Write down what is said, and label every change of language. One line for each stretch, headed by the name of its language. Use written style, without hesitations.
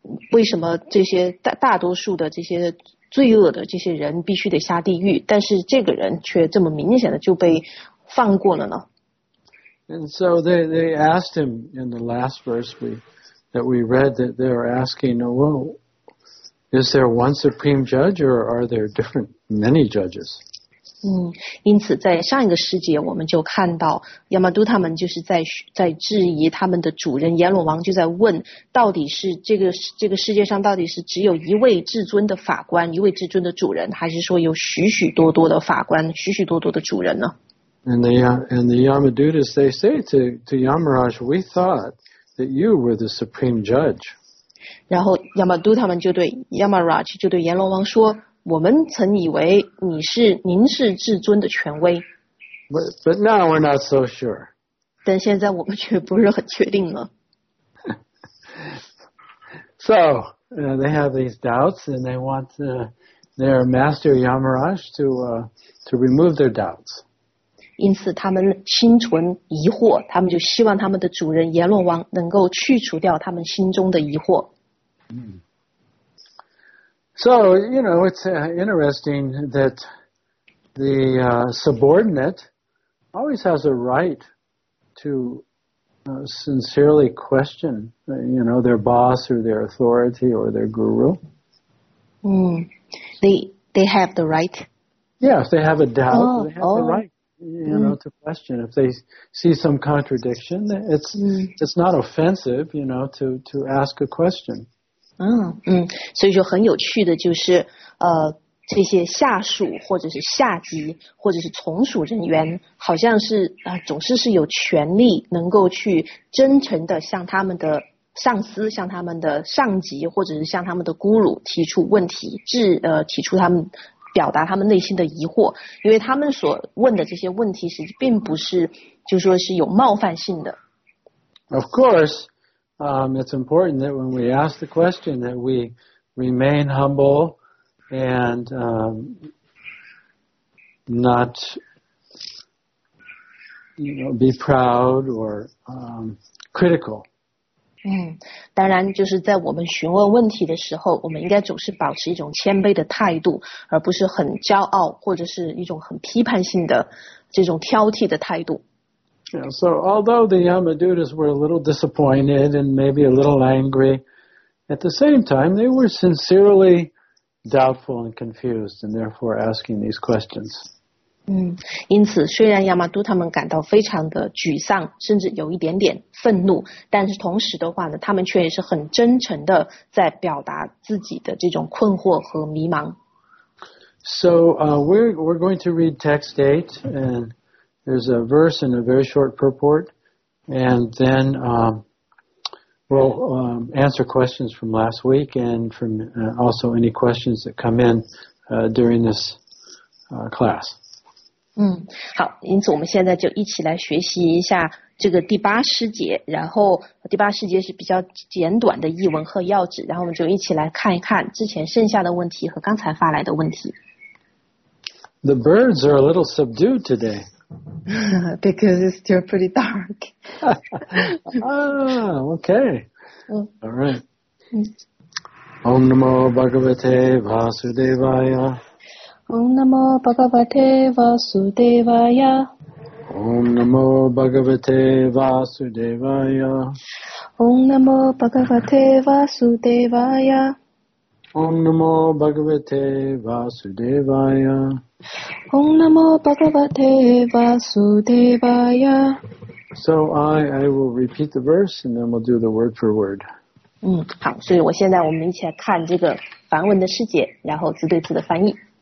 Chinese: 为什么这些大多数的这些罪恶的这些人必须得下地狱，但是这个人却这么明显的就被放过了呢？
English: And so they asked him in the last verse we read that they're asking, well, is there one supreme judge or are there different many judges?
Chinese: 因此在上一个时节我们就看到 Yamaduta 们就是在质疑他们的主人阎罗王，就在问到底是这个世界上到底是只有一位至尊的法官，一位至尊的主人，还是说有许许多多的法官，许许多多的主人呢？
English: And the Yamadutas, they say to Yamaraj, we thought that you were the supreme judge.
Chinese: 然后 Yamaduta 们就对 Yamaraj 就对阎罗王说，我们曾以为您是至尊的权威。
English: But now we're not so sure.
Chinese: 但现在我们却不是很确定了。
English: So, they have these doubts and they want their master Yamaraj to remove their doubts.
Chinese: 因此他们心存疑惑，他们就希望他们的主人阎罗王能够去除掉他们心中的疑惑。
English: So, you know, it's interesting that the subordinate always has a right to sincerely question, you know, their boss or their authority or their guru. They have the right? Yeah, if they have a doubt, they have the right, you know, to question. If they see some contradiction, it's not offensive, you know, to ask a question.
Chinese: 所以说很有趣的就是这些下属或者是下级或者是从属人员好像是总是有权利能够去真诚的向他们的上司，向他们的上级或者是向他们的孤辱提出问题，提出他们表达他们内心的疑惑，因为他们所问的这些问题实际并不是就是说是有冒犯性的。
English: Of course,it's important that when we ask the question that we remain humble and not, you know, be proud or critical.
Chinese: 当然就是在我们询问问题的时候，我们应该总是保持一种谦卑的态度，而不是很骄傲或者是一种很批判性的这种挑剔的态度。
English: Yeah, so although the Yamadutas were a little disappointed and maybe a little angry, at the same time, they were sincerely doubtful and confused and therefore asking these questions.
Chinese: 因此虽然 Yamaduta 们感到非常的沮丧，甚至有一点点愤怒，但是同时的话呢，他们却也是很真诚的在表达自己的这种困惑和迷茫。
English: So, we're going to read text 8 and there's a verse and a very short purport, and then We'll answer questions from last week and from also any questions that come in during this class.
Chinese: 好，因此我们现在就一起来学习一下这个第八师节，然后第八师节是比较简短的译文和要旨，然后我们就一起来看一看之前剩下的问题和刚才发来的问题。
English: The birds are a little subdued today. Because it's still pretty dark. okay. All right.
Sanskrit: Om Namo Bhagavate Vasudevaya. Om Namo Bhagavate Vasudevaya. Om Namo Bhagavate Vasudevaya. Om Namo Bhagavate Vasudevaya. Om Namo Bhagavate Vasudevaya. Om Namo Bhagavate Vasudevaya.
English: So I will repeat the verse and then we'll do the word for word.
Chinese: 好，所以我现在我们一起来看这个梵文的释解，然后字对字的翻译。